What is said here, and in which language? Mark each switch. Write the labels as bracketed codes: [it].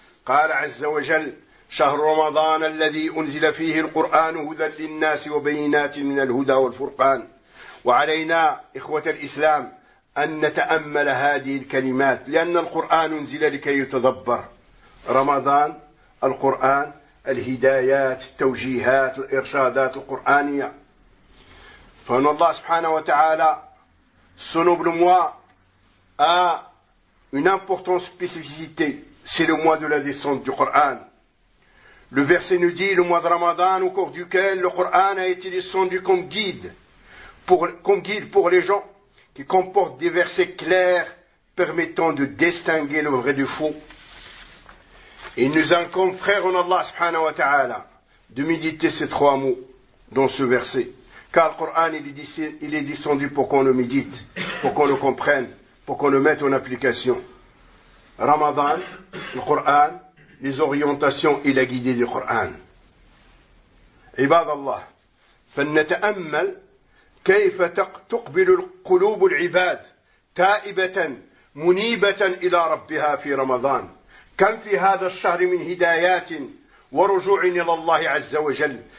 [ar] قال عز وجل: شهر رمضان الذي أنزل فيه القرآن هدى للناس وبينات من الهدى والفرقان. وعلينا إخوة الإسلام أن نتأمل هذه الكلمات، لأن القرآن أنزل لكي يتدبر. رمضان، القرآن، الهدايات، التوجيهات، الإرشادات القرآنية. فإن الله سبحانه وتعالى سنوب لموا [fr] une importance spécificité, c'est le mois de la descente du Coran. Le verset nous dit: le mois de Ramadan au cours duquel le Coran a été descendu comme guide pour les gens, qui comporte des versets clairs permettant de distinguer le vrai du faux. Il nous incombe, frères en Allah subhanahu wa ta'ala, de méditer ces trois mots dans ce verset, car le Coran il est descendu pour qu'on le médite, pour qu'on le comprenne, pour qu'on le mette en application. Ramadan, le Coran, les orientations et la guidée du Coran. [ar] Ibad Allah, فنتأمل كيف تقبل القلوب العباد تائبة منيبة إلى ربها في رمضان. كم في هذا الشهر من هدايات ورجوع إلى الله عز وجل.